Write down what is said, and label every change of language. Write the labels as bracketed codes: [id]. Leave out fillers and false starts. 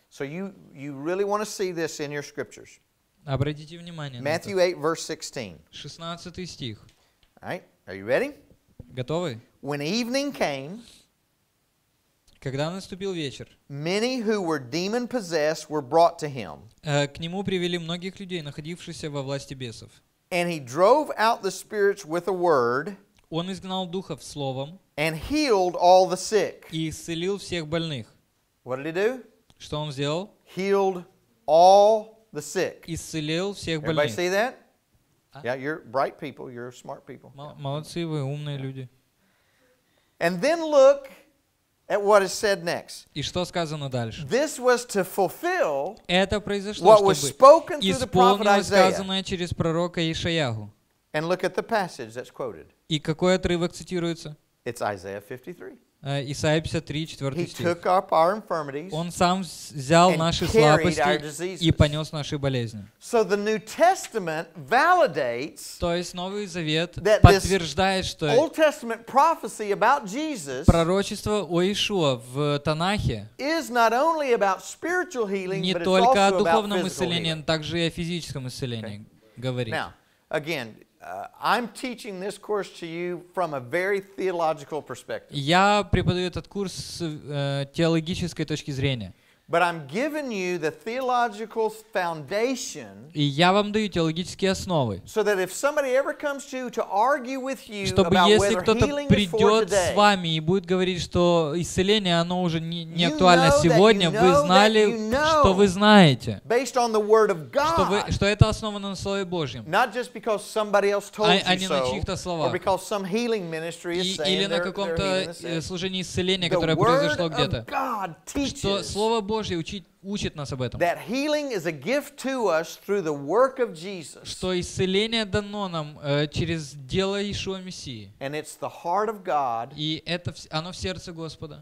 [en] So you really want to see this in your scriptures. [ru] Обратите внимание. [en] Matthew 8, verse 16. [ru] 16 стих. [en] All right. Are you ready? [ru] Готовы? [en] When evening came, [ru] когда наступил вечер, [en] many who were demon-possessed were brought to him. [ru] К нему привели многих людей, находившихся во власти бесов. [en] And he drove out the spirits with a word. [ru] Он изгнал духов словом. [en] And healed all the sick. [ru] И исцелил всех больных. [en] What did he do? [ru] Что он сделал? [en] Healed all the sick. [ru] Исцелил всех [en] Everybody [ru] больных. [en] See that? Yeah, you're bright people, you're smart people. [ru] Молодцы, вы умные люди. [en] And then look at what is said next. [ru] И что сказано дальше? [en] This was to fulfill [ru] это произошло, [en] what [ru] чтобы [en] was spoken through the prophet Isaiah. [ru] Исполнилось сказанное через пророка Ишаяху. [en] And look at the passage that's quoted. [ru] И какой отрывок цитируется? [en] It's Isaiah 53. [ru] Исаия 53, 4 стих. [en] He took up our infirmities. [ru] Он сам взял наши слабости и понес наши болезни. [en] So the New Testament validates. [ru] То есть Новый Завет подтверждает, что [en] Old Testament prophecy about Jesus. [ru] Пророчество о Иешуа в Танахе. [en] Is not only about spiritual healing, [ru] не [en] but [ru] только [en] it's also [ru] о духовном [en] about physical [ru] исцелении, [en] healing. [ru] Также и о физическом исцелении okay. говорит. [en] Now, again, I'm teaching this course to you from a very theological perspective. [ru] Я преподаю этот курс с теологической точки зрения. [en] But I'm giving you the theological foundation. [ru] И я вам даю теологические основы. [en] So that if somebody ever comes to you to argue with you about whether healing is for today, [ru] чтобы если кто-то придет с вами и будет говорить, что исцеление оно уже не актуально сегодня, вы знали, что вы знаете, [en] based on the word of God, [ru] что это основано на слове Божьем, [en] not just because somebody else told you so, [ru] а не на чьих-то словах, [en] or because some healing ministry is saying, [ru] или на каком-то служении исцеления, которое произошло где-то, что слово Божье учит нас об этом. [en] That healing is a gift to us through the work of Jesus. [ru] Что исцеление дано нам через дело Иешуа Мессии. [en] And it's the heart of God. [ru] И это оно в сердце Господа.